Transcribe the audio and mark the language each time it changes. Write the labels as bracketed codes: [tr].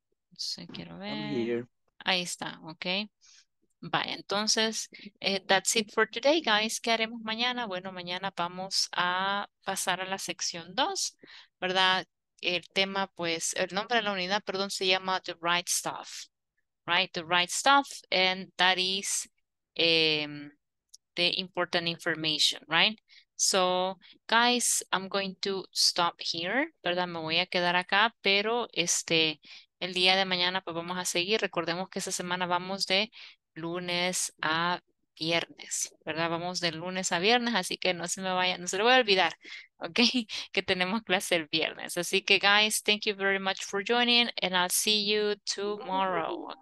[es] No sé, quiero ver. Ahí está, ok. Vaya, entonces, [en] that's it for today, guys. [es] ¿Qué haremos mañana? Bueno, mañana vamos a pasar a la sección 2, ¿verdad? El tema, pues, el nombre de la unidad, perdón, se llama The Right Stuff. [en] Right, the right stuff, and that is the important information, right? So, guys, I'm going to stop here, [es] ¿verdad? Me voy a quedar acá, pero el día de mañana pues vamos a seguir. Recordemos que esta semana vamos de lunes a viernes, ¿verdad? Vamos de lunes a viernes, así que no se lo voy a olvidar, ¿ok? Que tenemos clase el viernes. Así que, [en] guys, thank you very much for joining, and I'll see you tomorrow, ¿ok?